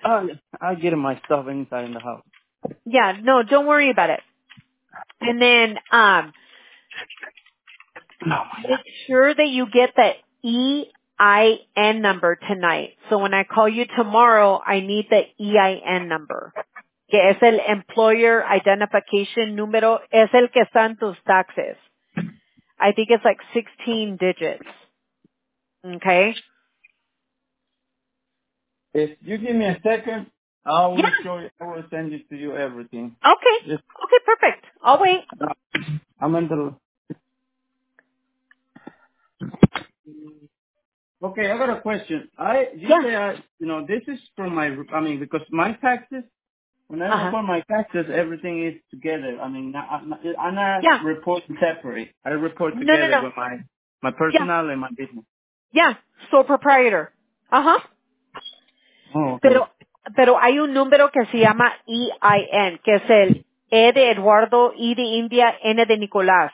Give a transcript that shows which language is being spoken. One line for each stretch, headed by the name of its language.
English: I'll get my stuff inside in the house. Yeah, no, don't worry about it. And then make sure that you get the EIN number tonight. So when I call you tomorrow, I need the EIN number.
Spanish: Que es el employer identification número, es el que están tus taxes.
English: I think it's like 16 digits. Okay? If you give me a second, I will show you, I will send it to you everything. Okay. Okay, perfect. I'll wait. I'm in the... Okay, I got a question. You say, this is from my, because my taxes, whenever I put my taxes, everything is together. I mean, I'm not reporting separately. I report together with my personal and my business. Yeah, sole proprietor. Uh-huh. Oh, okay.
Spanish: Pero hay un número que se llama EIN, que es el E de Eduardo, I de India, N de Nicolás.